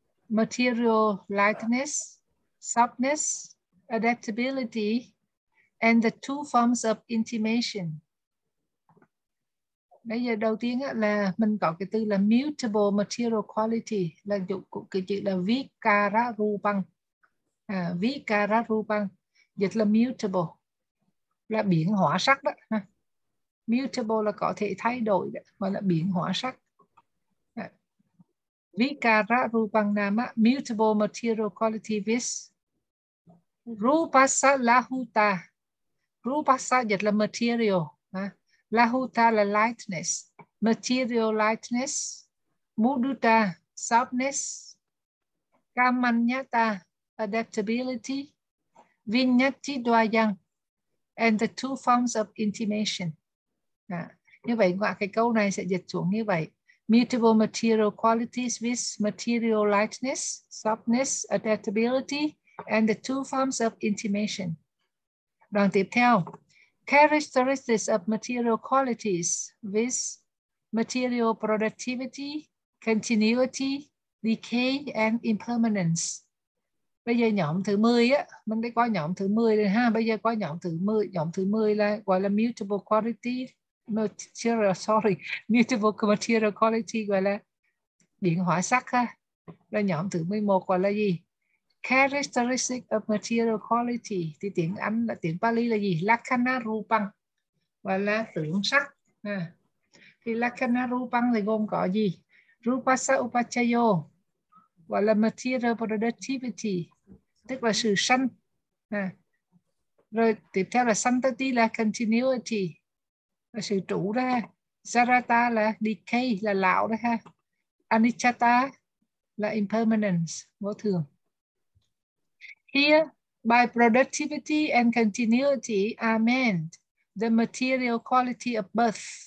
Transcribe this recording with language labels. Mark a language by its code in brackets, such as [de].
[en] Material lightness, softness, adaptability, and the two forms of intimation. [vi] Bây giờ đầu tiên là mình có cái từ là [en] mutable material quality, [vi] là dụng cụ cái chữ là vikara rupang. À, vikara rupang dịch là mutable, là biến hóa sắc đó. Mutable là có thể thay đổi đó, mà là biến hóa sắc. [pi] Vikara rupang nama [en] mutable material quality [pi] vis rupasa lahuta. [vi] Rupasa dịch là material. [en] Lahuta là lightness, material lightness, muduta, softness, kamanyata, adaptability, vinyati dwayang, and the two forms of intimation. [vi] À, như vậy, ngoại cái câu này sẽ dịch xuống như vậy. [en] Mutable material qualities with material lightness, softness, adaptability, and the two forms of intimation. [vi] Đoạn tiếp theo. [en] Characteristics of material qualities with material productivity, continuity, decay, and impermanence. [vi] Bây giờ nhóm thứ 10 á, mình đã qua nhóm thứ 10 rồi ha. Bây giờ qua nhóm thứ 10. Nhóm thứ 10 là gọi là mutable quality material, sorry, mutable material quality gọi là biến hóa sắc ha. Rồi nhóm thứ 11 gọi là gì? Characteristic of material quality thì tiếng Anh là tiếng Pali là gì? Lakkhana rupang và là tướng sắc. À, thì lakkhana rupang thì gồm có gì? Rupasa upachayo và là material productivity tức là sự sanh. À, rồi tiếp theo là santati là continuity là sự trụ đó ha. Jarata là decay là lão đó ha. Anicca là impermanence vô thường. [en] Here, by productivity and continuity are meant the material quality of birth.